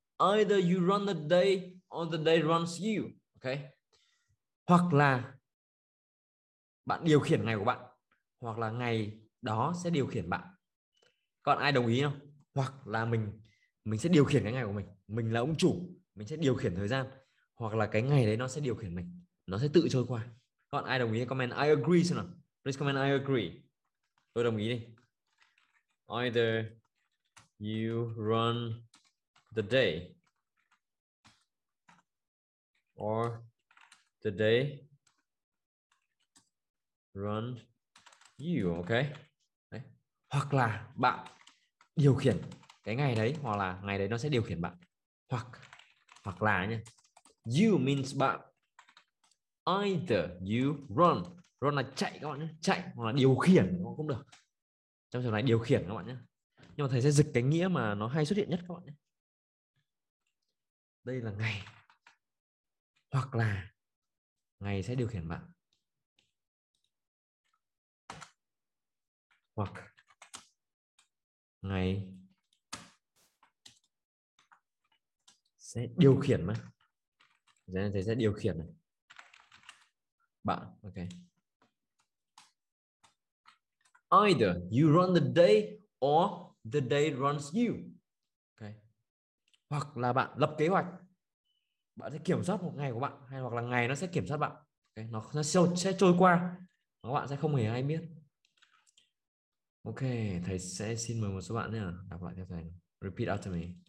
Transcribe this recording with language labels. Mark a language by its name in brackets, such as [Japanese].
[English] Either you run the day or the day runs you. Okay. [Vietnamese] Hoặc là bạn điều khiển ngày của bạn, hoặc là ngày đó sẽ điều khiển bạn. Còn ai đồng ý không? Hoặc là mình sẽ điều khiển cái ngày của mình. Mình là ông chủ, mình sẽ điều khiển thời gian. Hoặc là cái ngày đấy nó sẽ điều khiển mình. Nó sẽ tự trôi qua. Còn ai đồng ý [English] comment I agree [Vietnamese] xem nào. [English] Please comment I agree. [Vietnamese] Tôi đồng ý đi. [English] Either you run the day or the day run you, okay? [Vietnamese] Đấy. Hoặc là bạn điều khiển cái ngày đấy, hoặc là ngày đấy nó sẽ điều khiển bạn. Hoặc là nhé. You means bạn. [English] Either you run. [Vietnamese] Run là chạy các bạn nhé. Chạy hoặc là điều khiển cũng được. Trong trường này điều khiển các bạn nhé. Nhưng mà thầy sẽ dịch cái nghĩa mà nó hay xuất hiện nhất các bạn nhé. Đây là ngày. Hoặc là ngày sẽ điều khiển bạn. Hoặc ngày sẽ điều khiển mà. Thầy sẽ điều khiển này. Bạn, ok. [English] Either you run the day or the day runs you. [Vietnamese] Okay. Hoặc là bạn lập kế hoạch. Bạn sẽ kiểm soát một ngày của bạn, hay hoặc là ngày nó sẽ kiểm soát bạn. Okay. Nó sẽ trôi qua. Các bạn sẽ không hề hay biết. Ok, thầy sẽ xin mời một số bạn nhé. Đọc lại cho thầy. [English] Repeat after me.